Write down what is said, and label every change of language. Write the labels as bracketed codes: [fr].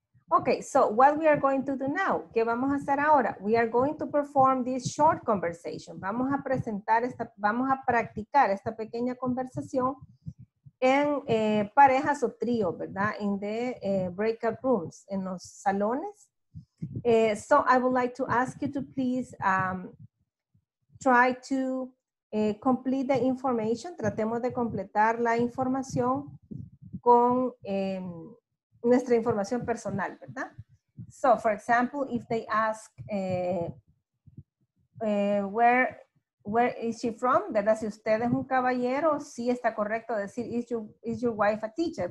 [en] Okay, so what we are going to do now? [es] ¿Qué vamos a hacer ahora? [en] We are going to perform this short conversation. [es] Vamos a presentar esta, vamos a practicar esta pequeña conversación en parejas o tríos, ¿verdad? [en] In the breakout rooms, [es] en los salones. [en] So I would like to ask you to please try to complete the information. [es] Tratemos de completar la información con nuestra información personal, ¿verdad? [en] So, for example, if they ask where is she from, ¿verdad? [es] Si usted es un caballero, sí está correcto decir, [en] is your wife a teacher?